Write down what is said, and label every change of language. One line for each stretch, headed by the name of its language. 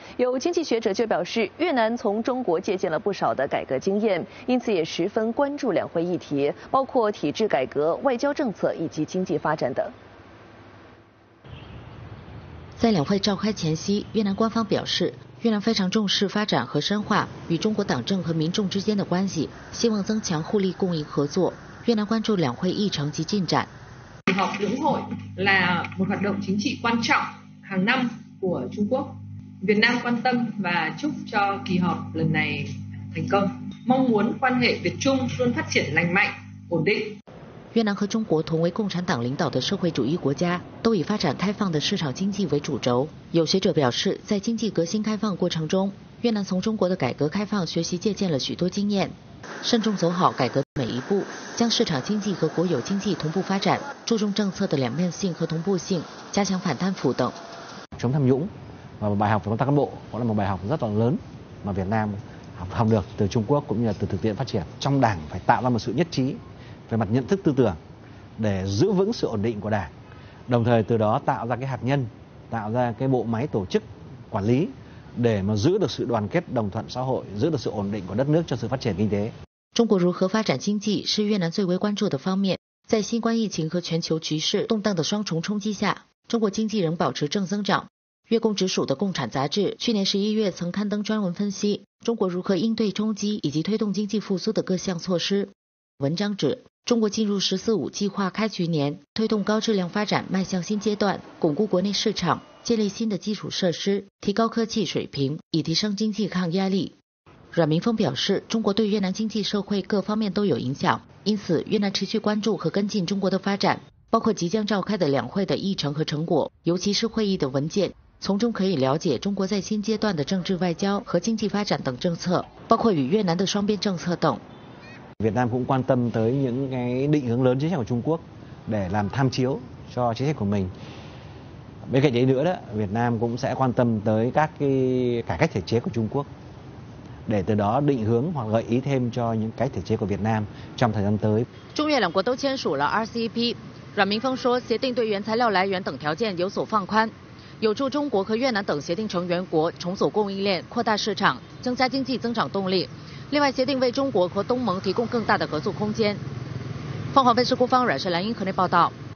Chinese: 有经济学者就表示，越南从中国借鉴了不少的改革经验，因此也十分关注两会议题，包括体制改革、外交政策以及经济发展等。在两会召开前夕，越南官方表示，越南非常重视发展和深化与中国党政和民众之间的关系，希望增强互利共赢合作。越南关注两会议程及进展。
Vietnamese: 两会là một hoạt động chính trị quan trọng hàng năm của Trung Quốc. Việt Nam quan tâm và chúc cho kỳ họp lần này thành công. Mong muốn quan hệ Việt Trung luôn phát triển lành mạnh, ổn định.
Chinese: 越南和中国同为共产党领导的社会主义国家，都以发展开放的市场经济为主轴。有学者表示，在经济革新开放过程中，越南从中国的改革开放学习借鉴了许多经验，慎重走好改革的每一步，将市场经济和国有经济同步发展，注重政策的两面性和同步性，加强反贪腐等。
Vietnamese: chống tham nhũng và bài học về công tác cán bộ cũng là một bài học rất là lớn mà Việt Nam học được từ Trung Quốc cũng như là từ thực tiễn phát triển. Trong đảng phải tạo ra một sự nhất trí. về mặt nhận thức tư tưởng để giữ vững sự ổn định của đảng, đồng thời từ đó tạo ra cái hạt nhân, tạo ra cái bộ máy tổ chức quản lý để mà giữ được sự đoàn kết đồng thuận xã hội, giữ được sự ổn định của đất nước cho sự phát triển kinh tế.
Chinese: Trung Quốc 如何发展经济是越南最为关注的方面。在新冠疫情和全球局势动荡的双重冲击下，中国经济仍保持正增长。越共直属的《共产》杂志去年十一月曾刊登专文分析中国如何应对冲击以及推动经济复苏的各项措施。文章指。中国进入“十四五”计划开局年，推动高质量发展迈向新阶段，巩固国内市场，建立新的基础设施，提高科技水平，以提升经济抗压力。阮明峰表示，中国对越南经济社会各方面都有影响，因此越南持续关注和跟进中国的发展，包括即将召开的两会的议程和成果，尤其是会议的文件，从中可以了解中国在新阶段的政治外交和经济发展等政策，包括与越南的双边政策等。
Vietnamese: Việt Nam cũng quan tâm tới những cái định hướng lớn chính sách của Trung Quốc để làm tham chiếu cho chính sách của mình. Bên cạnh đấy nữa đó, Việt Nam cũng sẽ quan tâm tới các cái cải cách thể chế của Trung Quốc để từ đó định hướng hoặc gợi ý thêm cho những cái thể chế của Việt Nam trong thời gian tới.
Chinese: Trung Việt 两国都签署了 RCEP， 阮明峰说，协定对原材料来源等条件有所放宽，有助中国和越南等协定成员国重组供应链、扩大市场、增加经济增长动力。另外，协定为中国和东盟提供更大的合作空间。凤凰卫视国防阮氏蓝英河内报道。